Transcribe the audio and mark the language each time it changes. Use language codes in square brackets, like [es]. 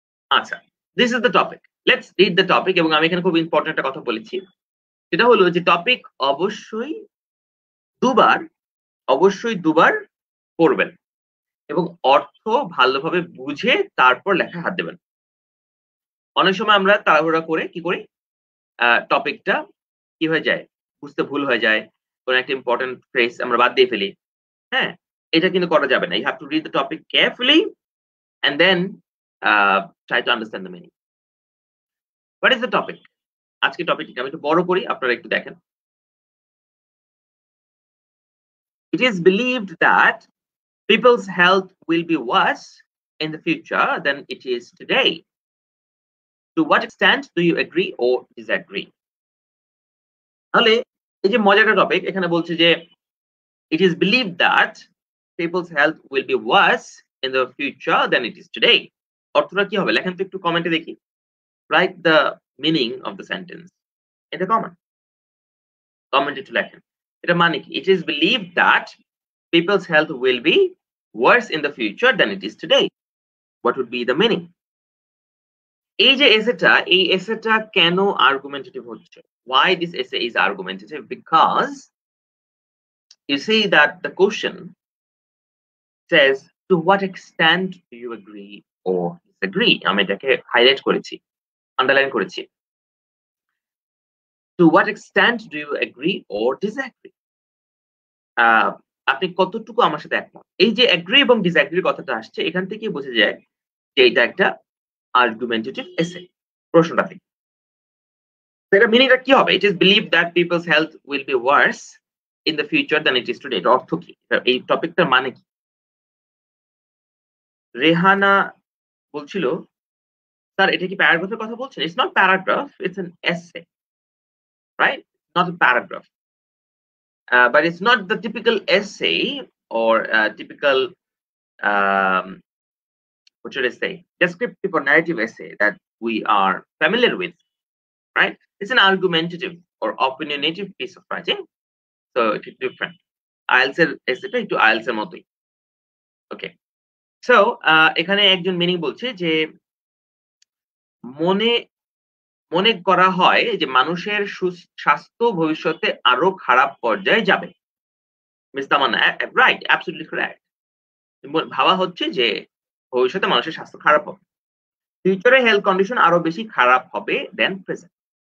[bn] Acha, [en] this is the topic, let's read the topic. [bn] Ebong ami ekhane khub important ekta kotha bolechi, seta holo je topic obosshoi dubar porben এবং অর্থ ভালোভাবে বুঝে তারপর লেখা হাত দেবেন। অনেক সময় আমরা তাড়াহুড়া করে কি করি, টপিকটা কি হয়ে যায়, বুঝতে ভুল হয়ে যায়, কোনো একটা ইম্পর্টেন্ট ফ্রেজ আমরা বাদ দিয়ে ফেলি। হ্যাঁ, এটা কিন্তু করা যাবে না। [en] You have to read the topic carefully and then try to understand the meaning. What is the topic? [bn] আজকে টপিকটাকে আমি একটু বড় করি, আপনারা একটু দেখেন। [en] It is believed that people's health will be worse in the future than it is today. To what extent do you agree or disagree? [bn] Hale ei je mojar topic ekhane bolche je [en] it is believed that people's health will be worse in the future than it is today. [bn] Orthora ki hobe lekhen to ektu comment e dekhi, [en] write the meaning of the sentence in the comment [bn] e to lekhen. Eta mane ki, [en] it is believed that people's health will be worse in the future than it is today. What would be the meaning? [bn] এই যে এসেটা, এই এসেটা কেন argumentative হচ্ছে? [en] Why this essay is argumentative? Because you see that the question says, to what extent do you agree or disagree? [bn] আমি এটাকে highlight করেছি, underline করেছি. [en] To what extent do you agree or disagree? [bn] আপনি কতটুকু আমার সাথে একমত? এই যে অ্যাগ্রি এবং ডিসঅ্যাগ্রির কথাটা আসছে, এখান থেকে বোঝা যায় যে এটা একটা আর্গুমেন্টেটিভ এসে। প্রশ্নটা থেকে এটা মিনিংটা কি হবে? [en] it is believe that people's health will be worse in the future than it is today, [bn] এটা অর্থ কি? এই টপিকটার মানে কি? রেহানা বলছিল, স্যার এটা কি প্যারাগ্রাফের কথা বলছেন? [en] It's not paragraph, it's an essay, right? Not a paragraph, but it's not the typical essay or typical what should I say, descriptive or narrative essay that we are familiar with, right? It's an argumentative or opinionative piece of writing, so it's different. [bn] IELTS essay to IELTS motoi. Okay, so ekhane ekjon meaning bolche je mone মনে করা হয় যে মানুষের সুস্বাস্থ্য ভবিষ্যতে আরো খারাপ পর্যায়ে যাবে। মিস তামান্না, রাইট, অ্যাবসলিউটলি রাইট। ভাবা হচ্ছে যে ভবিষ্যতে মানুষের স্বাস্থ্য খারাপ হবে, ফিউচারে হেলথ কন্ডিশন আরো বেশি খারাপ হবে দেন প্রেজেন্ট।